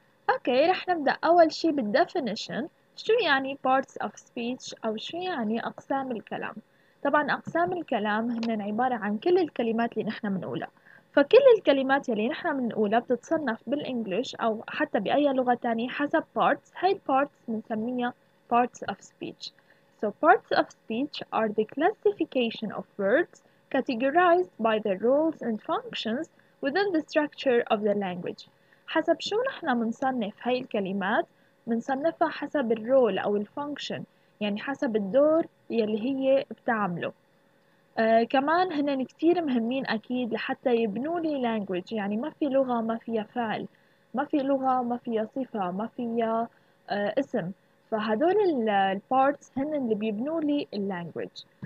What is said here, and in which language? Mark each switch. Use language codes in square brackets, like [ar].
[ar] اوكي، رح نبدأ أول شي بالdefinition. شو يعني parts of speech أو شو يعني أقسام الكلام؟ طبعاً أقسام الكلام هن عبارة عن كل الكلمات اللي نحن منقولها، فكل الكلمات اللي نحن منقولها بتتصنف بالإنجليش أو حتى بأي لغة تانية حسب parts. هاي parts بنسميها parts of speech. [en] So parts of speech are the classification of words categorized by their roles and functions within the structure of the language. [ar] حسب شو نحن منصنف هاي الكلمات؟ منصنفها حسب الرول أو الفونكشن، يعني حسب الدور يلي هي بتعمله. كمان هنن كتير مهمين أكيد لحتى يبنولي language، يعني ما في لغة ما فيها فعل، ما في لغة ما فيها صفة، ما فيها اسم، فهدول الparts هنن اللي بيبنولي language.